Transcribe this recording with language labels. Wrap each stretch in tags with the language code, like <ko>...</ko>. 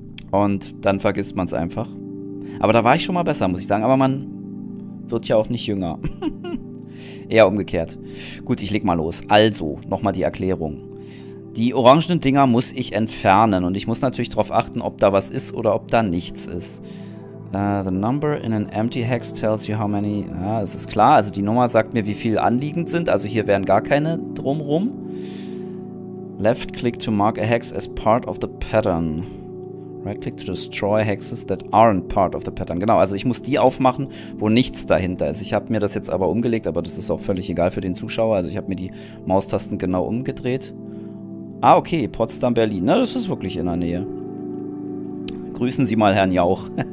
<de>Und dann vergisst man es einfach. Aber da war ich schon mal besser, muss ich sagen. Aber man wird ja auch nicht jünger. Eher umgekehrt. Gut, ich leg mal los. Also, nochmal die Erklärung. Die orangenen Dinger muss ich entfernen. Und ich muss natürlich darauf achten, ob da was ist oder ob da nichts ist.</de> <en>The number in an empty hex tells you how many.</en> <de>Ja, es ist klar. Also die Nummer sagt mir, wie viel anliegend sind. Also hier wären gar keine drumrum.</de> <en>Left click to mark a hex as part of the pattern. Right click to destroy hexes that aren't part of the pattern.</en> <de>Genau, also ich muss die aufmachen, wo nichts dahinter ist. Ich habe mir das jetzt aber umgelegt, aber das ist auch völlig egal für den Zuschauer. Also ich habe mir die Maustasten genau umgedreht. Ah, okay, Potsdam, Berlin. Na, das ist wirklich in der Nähe. Grüßen Sie mal Herrn Jauch.</de>